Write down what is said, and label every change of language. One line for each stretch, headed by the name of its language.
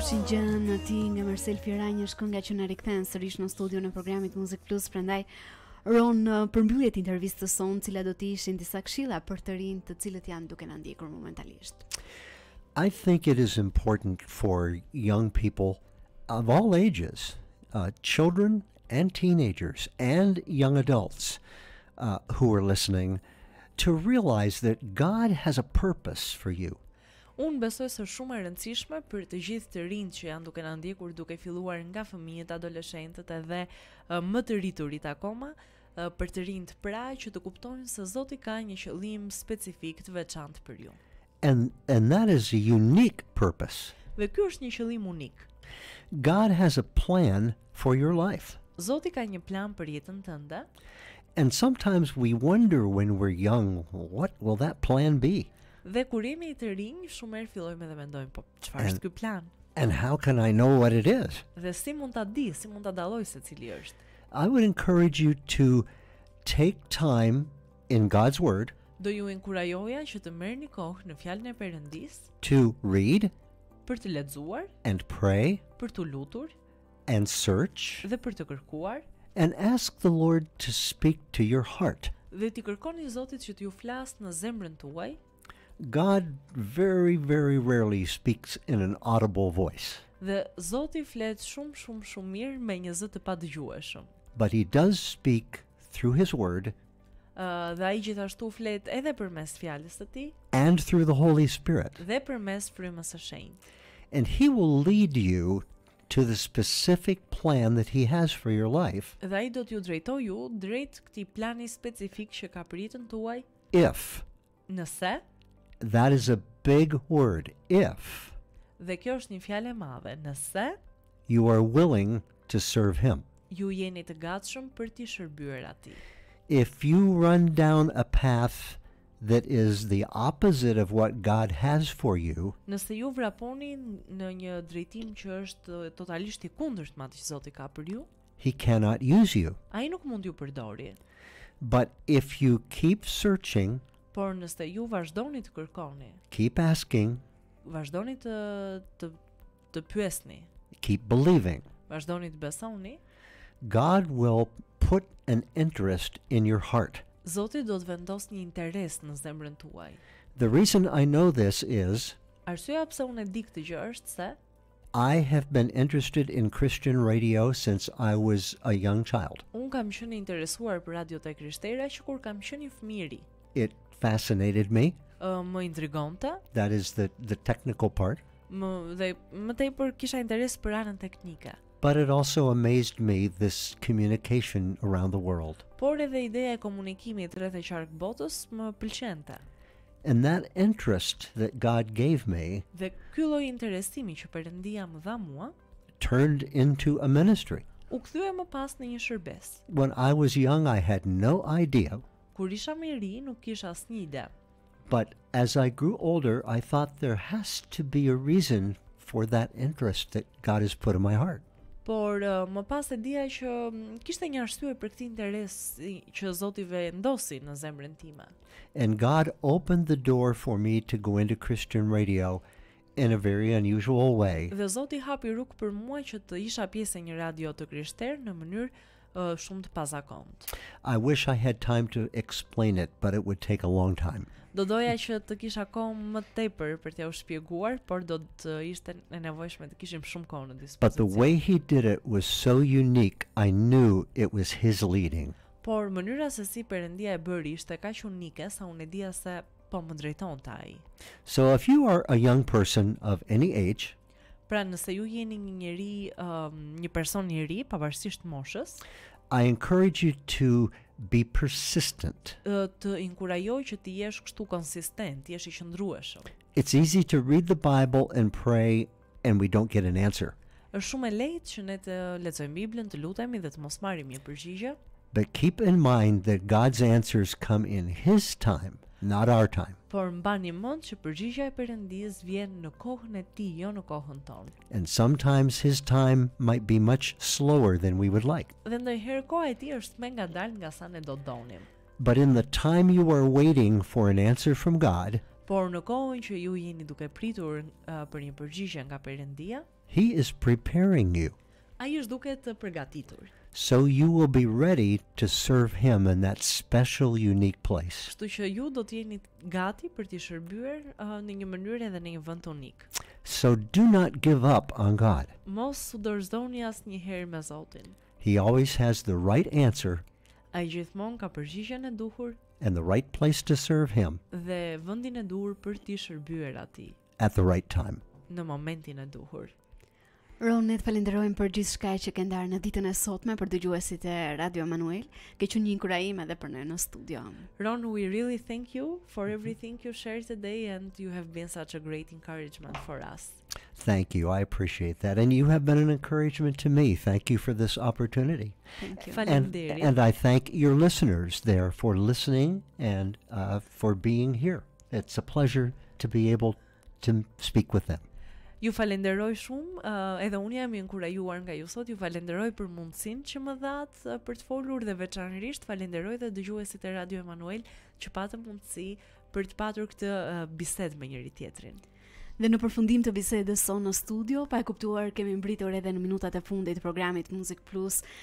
Albanian: Gjën në ti nga Marcel Firani është kënga që në rikthen sërish në studio në programit Muzik Plus, prendaj ronë në përmbyllet intervistës son, cila do t'i ishin disa këshilla për të rinë të cilët janë duke në ndjekur momentalisht.
English: I think it is important for young people of all ages, children and teenagers and young adults who are listening, to realize that God has a purpose for you.
Albanian: Unë besoj se shumë e rëndësishme për të gjithë të rinjtë që janë duke na ndjekur, duke filluar nga fëmijët, adoleshentët edhe më të rriturit akoma, për të rinjtë pra që të kuptojnë se Zoti ka një qëllim specifik të veçantë për ju.
English: And that is a unique purpose.
Albanian: Dhe ky është një qëllim unik.
English: God has a plan for your life.
Albanian: Zoti ka një plan për jetën tënde.
English: And sometimes we wonder when we're young, what will that plan be?
Albanian: Dhe kur jemi të rinj, shumë herë fillojmë dhe mendojmë, po çfarë është ky plan?
English: And how can I know what it is?
Albanian: Dhe si mund ta di, si mund ta dalloj se cili është?
English: I would encourage you to take time in God's word.
Albanian: Do ju inkurajoja që të merrni kohë në fjalën e Perëndis.
English: To read.
Albanian: Për të lexuar.
English: And pray.
Albanian: Për të lutur.
English: And search.
Albanian: Dhe për të kërkuar.
English: And ask the Lord to speak to your heart.
Albanian: Dhe t'i kërkoni Zotit që t'ju flasë në zemrën tuaj.
English: God very, very rarely speaks in an audible voice.
Albanian: Dhe Zoti flet shumë mirë me një zë të padëgjueshëm.
English: But he does speak through his word.
Albanian: Dhe ai gjithashtu flet edhe përmes fjalës së tij.
English: And through the Holy Spirit.
Albanian: Dhe përmes Frymës së Shenjtë.
English: And he will lead you to the specific plan that he has for your life.
Albanian: Dhe ai do t'ju drejtojë ju drejt këtij plani specifik që ka për jetën tuaj.
English: If.
Albanian: Nëse.
English: That is a big word, if.
Albanian: Dhe kjo është një fjalë e madhe, nëse.
English: You are willing to serve him.
Albanian: Ju jeni të gatshëm për t'i shërbyer atij.
English: If you run down a path that is the opposite of what God has for you.
Albanian: Nëse ju vraponi në një drejtim që është totalisht i kundërt me atë që Zoti ka për ju.
English: He cannot use you.
Albanian: Ai nuk mund ju përdori.
English: But if you keep searching.
Albanian: Por nëse ju vazhdoni të kërkoni.
English: Keep asking.
Albanian: Vazhdoni të pyesni.
English: Keep believing.
Albanian: Vazhdoni të besoni.
English: God will put an interest in your heart.
Albanian: Zoti do të vendos një interes në zemrën tuaj.
English: The reason I know this is.
Albanian: Arsyeja pse unë e di këtë gjë është se
English: I have been interested in Christian radio since I was a young child.
Albanian: Unë kam qenë interesuar për radiot e krishtere që kur kam qenë fëmijë.
English: It fascinated me.
Albanian: Më intrigonte.
English: That is the technical part.
Albanian: Më tepër kisha interes për anën teknike.
English: But it also amazed me this communication around the world.
Albanian: Por edhe ideja e komunikimit rreth e qark botës më pëlqente.
English: And that interest that God gave me,
Albanian: dhe ky lloj interesimi që Perëndia më dha mua,
English: turned into a ministry.
Albanian: U kthye më pas në një shërbes.
English: When I was young, I had no idea.
Albanian: Kur isha më I ri, nuk kisha asnjë ide.
English: But as I grew older, I thought there has to be a reason for that interest that God has put in my heart.
Albanian: Por më pas e dija që kishte një arsye për këtë interes që Zoti vendosi në zemrën time.
English: And God opened the door for me to go into Christian radio in a very unusual way.
Albanian: Dhe Zoti hapi rrugë për mua që të isha pjesë e një radio të krishterë në mënyrë shumë të pazakontë.
English: I wish I had time to explain it, but it would take a long time.
Albanian: Do doja që të kisha kohë më tepër për t'ja u shpjeguar, por do të ishte e nevojshme të kishim shumë kohë në dispozicion.
English: But the way he did it was so unique, I knew it was his leading.
Albanian: Por mënyra se si Perëndia e bëri ishte kaq unike sa unë dija se po më drejtonte ai.
English: So if you are a young person of any age,
Albanian: pra nëse ju jeni një njeri, një person I ri pavarësisht moshës,
English: I encourage you to be persistent.
Albanian: Të inkurajoj që të jesh kështu konsistent, jesh I qëndrueshëm.
English: It's easy to read the Bible and pray and we don't get an answer.
Albanian: Është shumë e lehtë që ne të lexojmë Biblën, të lutemi dhe të mos marrim një përgjigje.
English: But keep in mind that God's answers come in His time, not our time.
Albanian: Por mbani mend që përgjigja e Perëndis vjen në kohën e tij, jo në kohën tonë.
English: And sometimes His time might be much slower than we would like.
Albanian: Dhe ndonjëherë koha e tij është më ngadalë nga sa ne do donim.
English: But in the time you are waiting for an answer from God,
Albanian: por në kohën që ju jeni duke pritur për një përgjigje nga Perëndia,
English: He is preparing you.
Albanian: Ai është duke të përgatitur.
English: So you will be ready to serve him in that special unique place.
Albanian: Kështu që ju do të jeni gati për t'i shërbyer në një mënyrë edhe në një vend unik.
English: So do not give up on God.
Albanian: Mos u dorëzoni asnjëherë me Zotin.
English: He always has the right answer.
Albanian: Ai gjithmonë ka përgjigjen e duhur.
English: And the right place to serve him.
Albanian: Dhe vendin e duhur për t'i shërbyer atij.
English: At the right time.
Albanian: Në momentin e duhur. Ron, ne të falenderojmë për gjithçka që ke ndarë në ditën e sotme për dëgjuesit e Radio Manuel. Ke qenë një inkurajim edhe për ne në studio.
English: Ron, we really thank you for everything you shared today and you have been such a great encouragement for us. Thank you. I appreciate that and you have been an encouragement to me. Thank you for this opportunity. Thank you.
Albanian: Falenderoj.
English: And I thank your listeners there for listening and for being here. It's a pleasure to be able to speak with them.
Albanian: Ju falenderoj shumë, edhe unë jam inkurajuar nga ju sot, ju falenderoj për mundësinë që më dhatë për të folur dhe veçanërisht falenderoj dhe dëgjuesit e Radio Emanuel që patëm mundësi për të patur këtë bisedë me njëri tjetrin. Dhe në përfundim të bisedës sonë në studio, pa e kuptuar, kemi mbritur edhe në minutat e fundit të programit Muzik Plus.